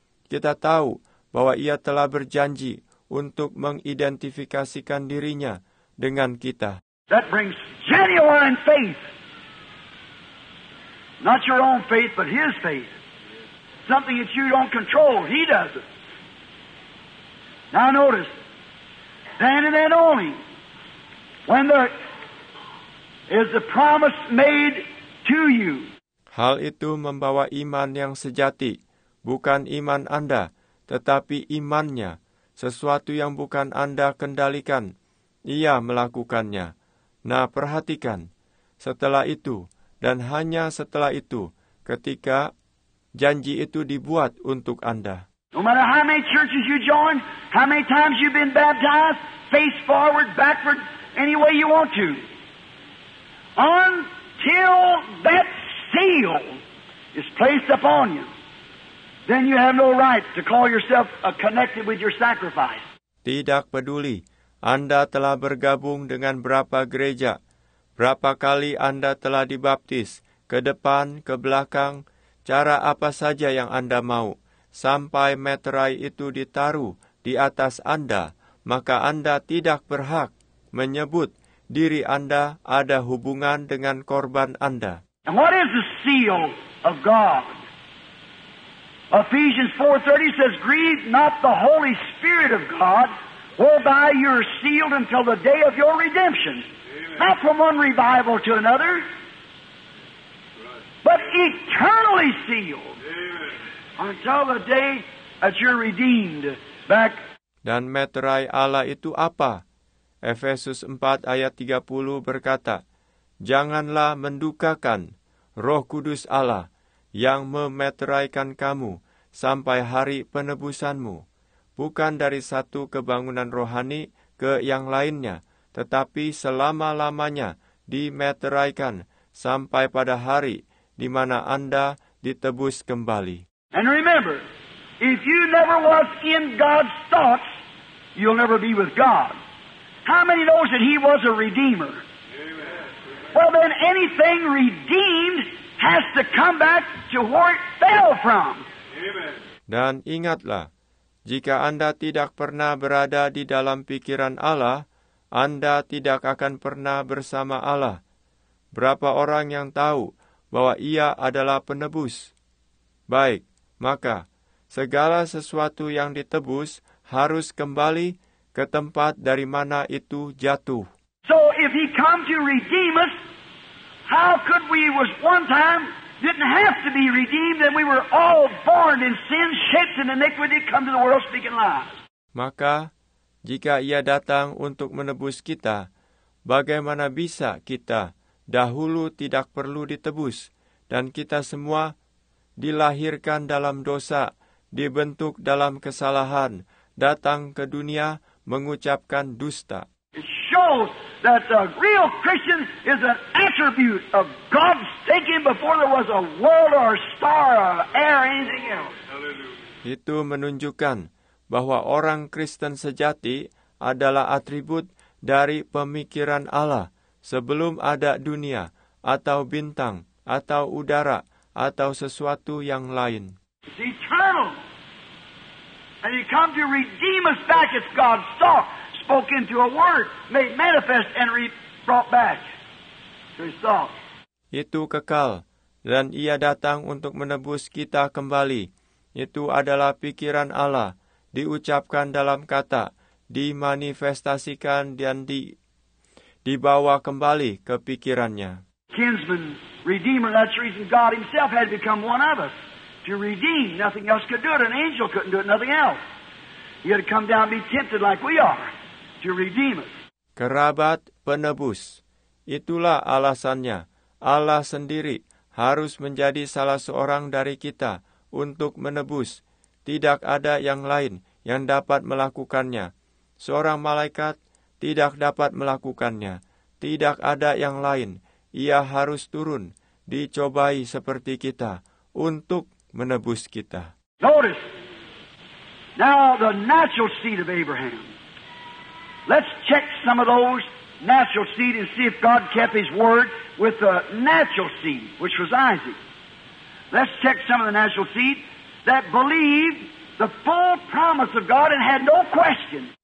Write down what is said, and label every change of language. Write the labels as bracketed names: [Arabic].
[Indonesian] Kita tahu bahwa ia telah berjanji untuk mengidentifikasikan dirinya dengan kita. [English] That brings genuine faith. Not your own faith, but his faith. Something that you don't control, he does it. Now notice, then and then only, when there is the promise made to you. [Indonesian] Hal itu membawa iman yang sejati, bukan iman Anda, tetapi imannya. Sesuatu yang bukan Anda kendalikan, ia melakukannya. Nah, perhatikan, setelah itu, dan hanya setelah itu, ketika janji itu dibuat untuk Anda. [English] No matter how many churches you join, how many times you've been baptized, face forward, backward, any way you want to, until that seal is placed upon you, then you have no right to call yourself connected with your sacrifice. [Indonesian] Tidak peduli Anda telah bergabung dengan berapa gereja, berapa kali Anda telah dibaptis, ke depan, ke belakang, cara apa saja yang Anda mau, sampai meterai itu ditaruh di atas Anda, maka Anda tidak berhak menyebut diri Anda ada hubungan dengan korban Anda. [English] And what is the seal of God? Ephesians 4:30 says, grieve not the Holy Spirit of God, whereby you are sealed until the day of your redemption. Amen. Not from one revival to another, but eternally sealed. Amen. Until the day that you're redeemed back. [Indonesian] Dan meterai Allah itu apa? Efesus 4 ayat 30 berkata, janganlah mendukakan Roh Kudus Allah yang memeteraikan kamu sampai hari penebusanmu, bukan dari satu kebangunan rohani ke yang lainnya, tetapi selama-lamanya dimeteraikan sampai pada hari di mana Anda ditebus kembali. [English] And remember, if you never was in God's thoughts, you'll never be with God. How many knows that he was a redeemer? Amen. Well, then anything redeemed has to come back to where it fell from. [Indonesian] Dan ingatlah, jika Anda tidak pernah berada di dalam pikiran Allah, Anda tidak akan pernah bersama Allah. Berapa orang yang tahu bahwa Ia adalah penebus? Baik, maka segala sesuatu yang ditebus harus kembali ke tempat dari mana itu jatuh. [English] So if He come to redeem us, how could we was one time didn't have to be redeemed, and we were all born in sin, shaped in iniquity, come to the world speaking lies. [Indonesian] Maka, jika Ia datang untuk menebus kita, bagaimana bisa kita dahulu tidak perlu ditebus, dan kita semua dilahirkan dalam dosa, dibentuk dalam kesalahan, datang ke dunia mengucapkan dusta. [English] It shows that a real Christian is an attribute of God's thinking before there was a world or a star or air or anything else. Hallelujah. [Indonesian] Itu menunjukkan bahwa orang Kristen sejati adalah atribut dari pemikiran Allah sebelum ada dunia atau bintang atau udara atau sesuatu yang lain. [English] It's eternal. And He come to redeem us back as God's thought. Spoke into a word, made manifest, and brought back to His thought. [Indonesian] Itu kekal, dan Ia datang untuk menebus kita kembali. Itu adalah pikiran Allah, diucapkan dalam kata, dimanifestasikan, dan dibawa kembali ke pikirannya. [English] Kinsman, Redeemer, that's the reason God Himself had become one of us. To redeem, nothing else could do it. An angel couldn't do it, nothing else. He had to come down and be tempted like we are. To redeem us. [Indonesian] Kerabat penebus. Itulah alasannya. Allah sendiri harus menjadi salah seorang dari kita untuk menebus. Tidak ada yang lain yang dapat melakukannya. Seorang malaikat tidak dapat melakukannya. Tidak ada yang lain. Ia harus turun, dicobai seperti kita, untuk menebus kita. [English] Notice. Now the natural seed of Abraham. Let's check some of those natural seed and see if God kept His word with the natural seed, which was Isaac. Let's check some of the natural seed that believed the full promise of God and had no question.